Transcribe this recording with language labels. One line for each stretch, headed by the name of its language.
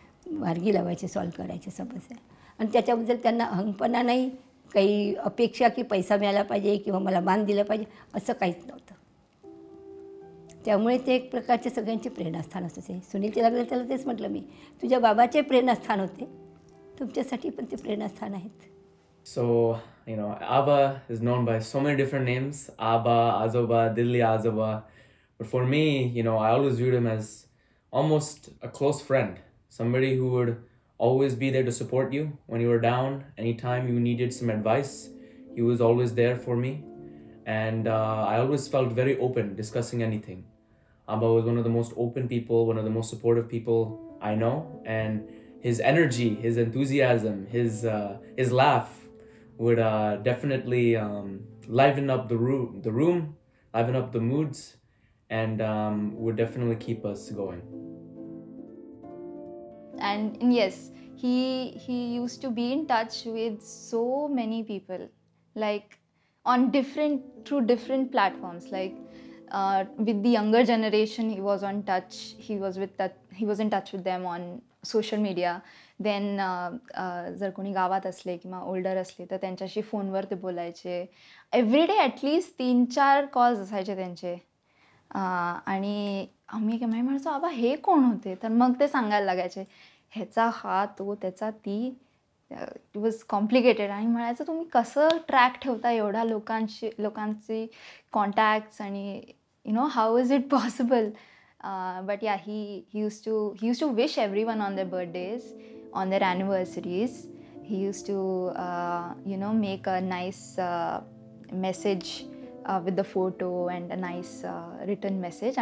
Marathi: मार्गी लावायचे, सॉल्व्ह करायचे समस्या, आणि त्याच्याबद्दल त्यांना अहंपणा नाही, काही अपेक्षा की पैसा मिळाला पाहिजे किंवा मला मान दिला पाहिजे असं काहीच नव्हतं, त्यामुळे ते एक प्रकारचे सगळ्यांचे प्रेरणास्थान असत होते। सुनीलचे लागले त्याला तेच म्हटलं मी, तुझ्या बाबाचे प्रेरणास्थान होते, तुमच्यासाठी पण ते प्रेरणास्थान आहेत।
English: So, you know, Abba is known by so many different names. Abba, Azoba, Dilli Azoba. But for me, you know, I always viewed him as almost a close friend. Somebody who would always be there to support you when you were down. Anytime you needed some advice, he was always there for me. And I always felt very open discussing anything. Abba was one of the most open people, one of the most supportive people I know. And his energy, his enthusiasm, his laugh would definitely liven up the room, liven up the moods, and would definitely keep us going. And yes, he used to be in touch with so many people, like on different platforms, like with the younger generation. He was on touch. He was in touch with them on social media.
Marathi: Then जर कोणी गावात असले किंवा older असले तर त्यांच्याशी फोनवर ते बोलायचे.
English: every day at least 3-4 calls
Marathi: असायचे त्यांचे. आणि आम्ही काय म्हणतो, आबा हे कोण होते? तर मग ते सांगायला लागायचे, ह्याचा हा तो त्याचा ती.
English: It was complicated.
Marathi: आणि म्हणायचं, तुम्ही कसं ट्रॅक ठेवता एवढा लोकांची कॉन्टॅक्ट्स? आणि
English: You know, how is it possible? But yeah, he used to wish everyone on their birthdays, on their anniversaries. He used to, make a nice message with the photo and a nice written message.